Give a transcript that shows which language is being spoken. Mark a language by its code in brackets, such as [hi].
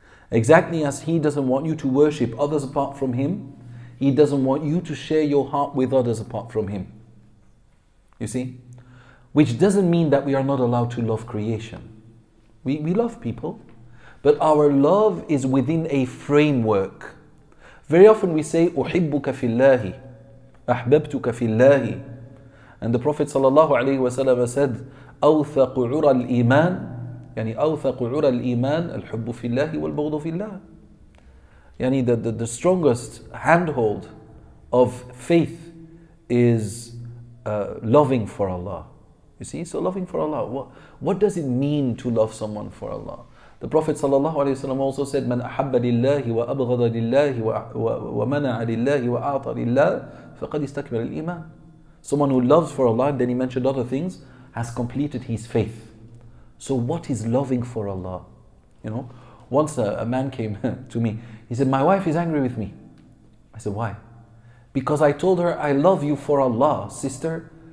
[en] Exactly as He doesn't want you to worship others apart from Him, He doesn't want you to share your heart with others apart from Him. You see? Which doesn't mean that we are not allowed to love creation. We love people, but our love is within a framework. Very often we say, [ar] أُحِبُّكَ فِي اللَّهِ أَحْبَبْتُكَ فِي اللَّهِ. [en] And the Prophet ﷺ said, [ar] أَوْثَقُ عُرَى الْإِيمَانِ. يعني أوثق عرى الإيمان الحب في الله والبغض في الله. [en] يعني the strongest handhold of faith is loving for Allah. You see, so loving for Allah. What does it mean to love someone for Allah? The Prophet صلى الله عليه وسلم also said, [ar] من أحب لله وأبغض لله ومنع لله وأعطى لله فقد استكمل الإيمان. [en] Someone who loves for Allah, then he mentioned other things, has completed his faith. So what is loving for Allah? You know, once a man came to me. He said, my wife is angry with me. I said, why? Because I told her, I love you for Allah, sister.